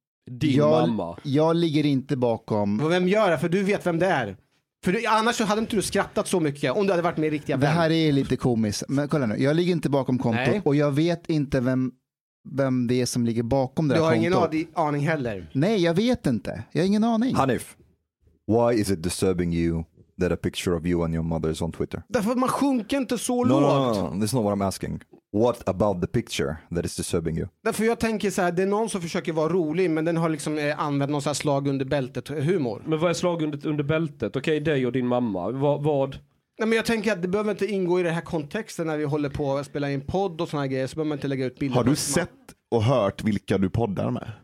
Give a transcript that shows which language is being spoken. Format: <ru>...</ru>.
<sv>Din mamma. Jag ligger inte bakom. Vem gör det? För du vet vem det är. För annars så hade inte du skrattat så mycket om du hade varit med riktiga vän. Det här är lite komiskt. Men kolla nu, jag ligger inte bakom kontot. Nej. Och jag vet inte vem det är som ligger bakom det här kontot. Du har ingen aning heller. Nej, jag vet inte. Jag har ingen aning.</sv> <en>Hanif, why is it disturbing you that a picture of you and your mother is on Twitter?</en> <sv>Därför att man sjunker inte så lågt.</sv> <en>No, this is not what I'm asking. What about the picture that is disturbing you?</en> <sv>Därför jag tänker så här, det är någon som försöker vara rolig men den har liksom använt någon så här slag under bältet humor. Men vad är slag under bältet? Okej, dig och din mamma. Vad? Nej, men jag tänker att det behöver inte ingå i den här kontexten när vi håller på att spela in podd och såna här grejer, så behöver man inte lägga ut bilder. Har du sett och hört vilka du poddar med?</sv>